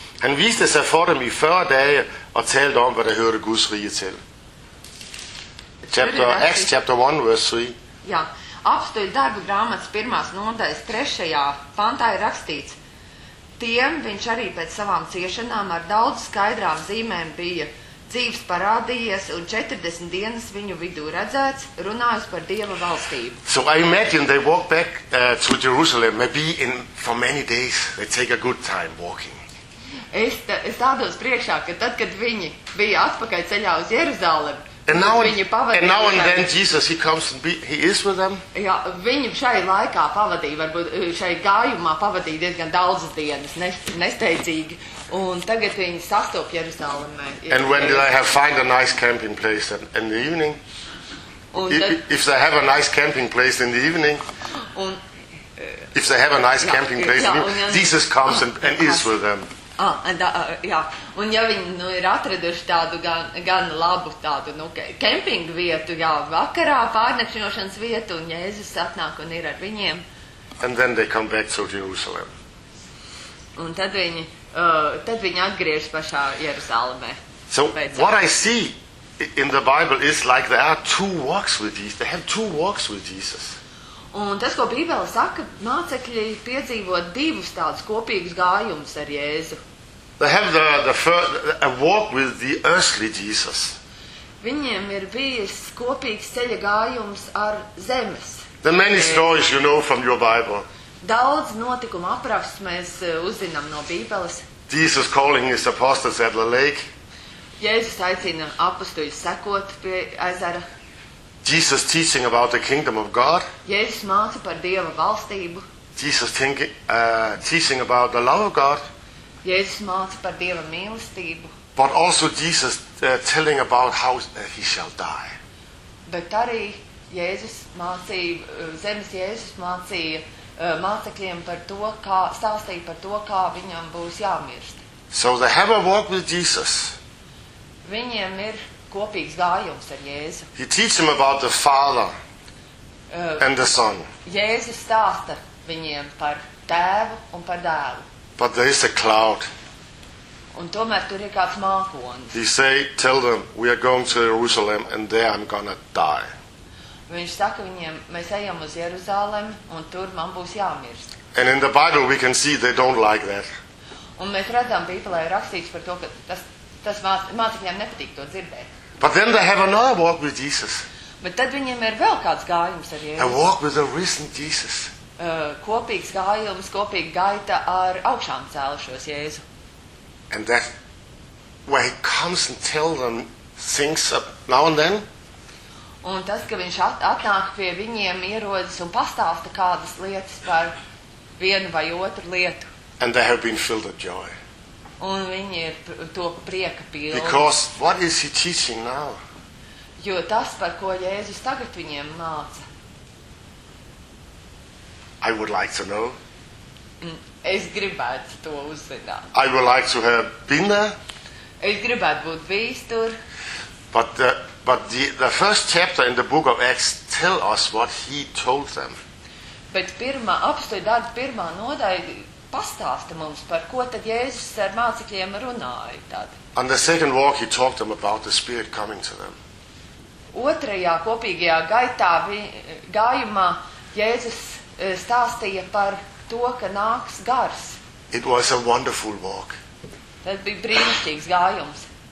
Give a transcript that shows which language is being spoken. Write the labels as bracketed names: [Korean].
[Danish] Han viste sig for dem i 40 dage og talte om hvad der hørte Guds rige til. [English] Chapter Acts chapter 1 verse 3. [Latvian] Ja, apostoļu darbu grāmatas 1. Nodaļas 3. Pantā ir rakstīts: Tiem viņš arī pēc savām ciešanām ar daudz skaidrām zīmēm bija dzīves parādījies un 40 dienas viņu vidū redzēts, runājas par Dieva valstību. [English] So I imagine they walk back to Jerusalem, maybe in for many days, they take a good time walking. [Latvian] Es tādos priekšā, ka tad, kad viņi bija atpakaļ ceļā uz Jeruzalemi, viņi pavadīja. [English] And now and then Jesus, he comes and he is with them. [Latvian] Ja, viņi šai laikā pavadīja, varbūt šai gājumā pavadīja diezgan daudzas dienas, nesteidzīgi. Un tagad viņi sastop Jeruzalemē. [English] And when did I have find a nice camping place in the evening? If they have a nice camping place in the evening, if they have a nice camping place, Jesus comes and is with them. [Latvian] Un ja viņi nu ir atraduši tādu gan labu tādu camping vietu, jā, vakarā pārnakšņošanas vietu, un Jēzus atnāk un ir ar viņiem. [English] And then they come back to Jerusalem. [Latvian] Un tad viņi atgriežas pašā Jeruzalemē. [English] So what I see in the Bible is like there are two walks with Jesus. They have two walks with Jesus. [Latvian] Un tas, ko Bībele saka, mācekļi piedzīvo divus tādus kopīgus gājumus ar Jēzu. [English] They have a walk with the earthly Jesus. [Latvian] Viņiem ir bijis kopīgs ceļa gājums ar zemes. [English] The many stories you know from your Bible. [Latvian] Daudz notikumu aprakstus mēs uzzinām no Bībeles. [English] Jesus calling his apostles at the lake. [Latvian] Jēzus aicina apostoļus sekot pie ezera. [English] Jesus teaching about the kingdom of God. [Latvian] Jēzus māca par Dieva valstību. [English] Jesus teaching about the love of God. [Latvian] Jēzus māca par Dieva mīlestību. [English] But also Jesus telling about how he shall die. [Latvian] Bet arī Jēzus mācīja, zemes Jēzus mācīja mācekļiem par to, kā stāstīja par to, kā viņam būs jāmirst. [English] So they have a walk with Jesus. [Latvian] Viņiem ir kopīgs gājums ar Jēzu. [English] He teach them about the Father and the Son. [Latvian] Jēzus stāsta viņiem par tēvu un par dēlu. [English] But there is a cloud. [Latvian] Un tomēr tur ir kāds mākonis. [English] He say, tell them, we are going to Jerusalem and there I'm gonna die. [Latvian] Viņš saka viņiem, mēs ejam uz Jeruzalemi un tur man būs jāmirst. [English] And in the Bible we can see they don't like that. [Latvian] Un mēs redzam Bībelē rakstīts par to, ka tas mācekļiem nepatīk to dzirdēt. [English] But then they have another walk with Jesus. [Latvian] Bet tad viņiem ir vēl kāds gājums ar Jēzus. [English] A walk with the risen Jesus. [Latvian] Kopīgs gājums, kopīga gaita ar augšām cēlušos Jēzu. [English] And that where he comes and tell them things now and then. [Latvian] Un tas, ka viņš atnāk pie viņiem, ierodas un pastāsta kādas lietas par vienu vai otru lietu. [English] And they have been filled with joy. [Latvian] Un viņi ir to prieka pilni. [English] Because what is he teaching now? [Latvian] Jo tas, par ko Jēzus tagad viņiem māca. [English] I would like to know. [Latvian] Es gribētu to uzzināt. [English] I would like to have been there. [Latvian] Es gribētu būt bijis tur. [English] But the first chapter in the book of Acts tell us what he told them. [Latvian] Bet pirmā apstoļu darbu pirmā nodaļa pastāsta mums, par ko tad Jēzus ar mācekļiem runāja tad. [English] On the second walk he talked them about the Spirit coming to them. [Latvian] Otrajā kopīgajā gājumā Jēzus stāstīja par to, ka nāks gars. [English] It was a wonderful walk. [Latvian] Tas bija brīnišķīgs gājums.